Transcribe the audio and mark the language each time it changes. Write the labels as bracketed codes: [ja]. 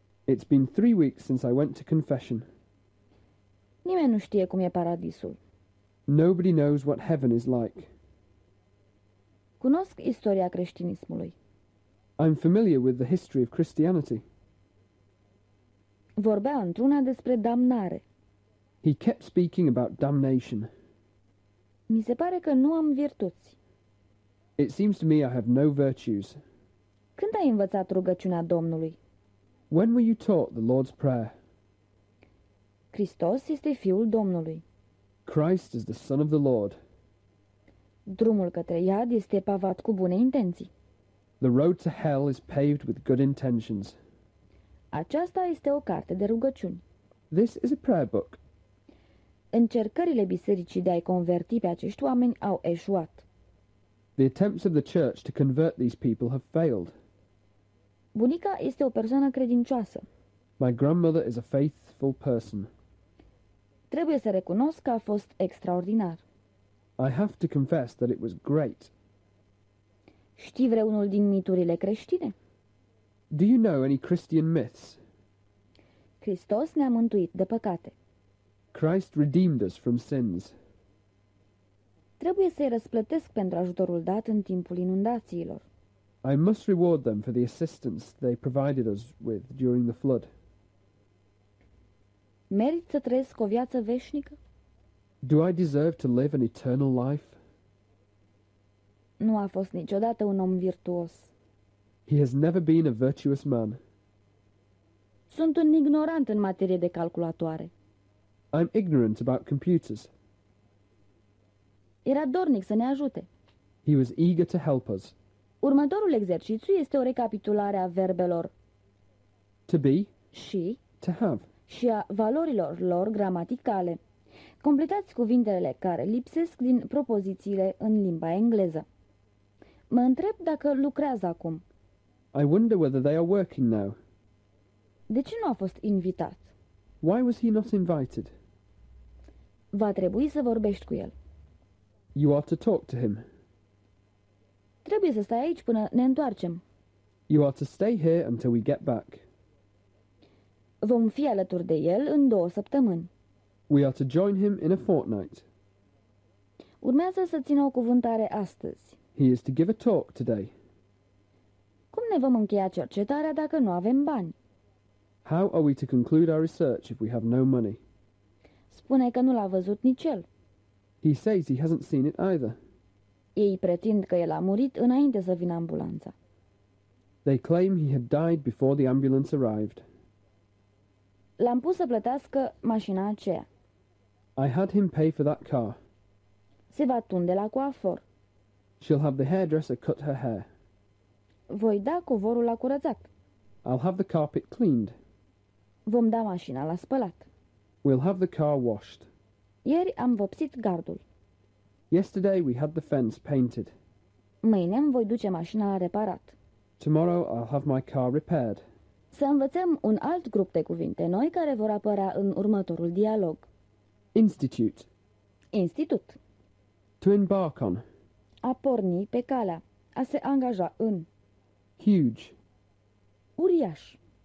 [en] It's been 3 weeks since I went to confession. [ro] Nimeni nu știe cum e paradisul. [en] Nobody knows what heaven is like. [ro] Cunosc istoria creștinismului. [en] I'm familiar with the history of Christianity. [ro] Vorbea într-una despre damnare. [en] He kept speaking about damnation. [ro] Mi se pare că nu am virtuți. [en] It seems to me I have no virtues. [ro] Când ai învățat rugăciunea Domnului? [en] When were you taught the Lord's Prayer? [ro] Hristos este Fiul Domnului. [en] Christ is the Son of the Lord. [ro] Drumul către iad este pavat cu bune intenții. [en] The road to hell is paved with good intentions. [ro] Aceasta este o carte de rugăciuni. [en] This is a prayer book. [ro] Încercările bisericii de a-i converti pe acești oameni au eșuat. [en] The attempts of the church to convert these people have failed. [ro] Bunica este o persoană credincioasă. [en] My grandmother is a faithful person. [ro] Trebuie să recunosc că a fost extraordinar. [en] I have to confess that it was great. [ro] Știi vreunul din miturile creștine? [en] Do you know any Christian myths? [ro] Hristos ne-a mântuit de păcate. [en] Christ redeemed us from sins. [ro] Trebuie să-i răsplătesc pentru ajutorul dat în timpul inundațiilor. [en] I must reward them for the assistance they provided us with during the flood. [ro] Merit să trăiesc o viață veșnică? [en] Do I deserve to live an eternal life? [ro] Nu a fost niciodată un om virtuos. [en] He has never been a virtuous man. [ro] Sunt un ignorant în materie de calculatoare. [en] I'm ignorant about computers. [ro] Era dornic să ne ajute. [en] He was eager to help us. [ro] Următorul exercițiu este o recapitulare a verbelor [en] to be [ro] și [en] to have [ro] și a valorilor lor gramaticale. Completați cuvintele care lipsesc din propozițiile în limba engleză. Mă întreb dacă lucrează acum. [en] I wonder whether they are working now. [ro] De ce nu a fost invitat? [en] Why was he not invited? [ro] Va trebui să vorbești cu el. [en] You are to talk to him. [ro] Trebuie să stai aici până ne întoarcem. [en] You are to stay here until we get back. [ro] Vom fi alături de el în două săptămâni. [en] We are to join him in a fortnight. [ro] Urmează să țină o cuvântare astăzi. [en] He is to give a talk today. [ro] Cum ne vom încheia cercetarea dacă nu avem bani? [en] How are we to conclude our research if we have no money? [ro] Spune că nu l-a văzut nici el. [en] He says he hasn't seen it either. [ro] Ei pretind că el a murit înainte să vină ambulanța. [en] They claim he had died before the ambulance arrived. [ro] L-am pus să plătească mașina aceea. [en] I had him pay for that car. [ro] Se va tunde la coafor. [en] She'll have the hairdresser cut her hair. [ro] Voi da covorul la curățat. [en] I'll have the carpet cleaned. [ro] Vom da mașina la spălat. [en] We'll have the car washed. [ro] Ieri am vopsit gardul. [en] Yesterday we had the fence painted. [ro] Mâine îmi voi duce mașina la reparat. [en] Tomorrow I'll have my car repaired. [ro] Să învățăm un alt grup de cuvinte noi care vor apărea în următorul dialog. [en] Institute. [ro] Institut. [en] To embark on. [ro] A porni pe calea. A se angaja în. [en] Huge. [ro] Uriaș.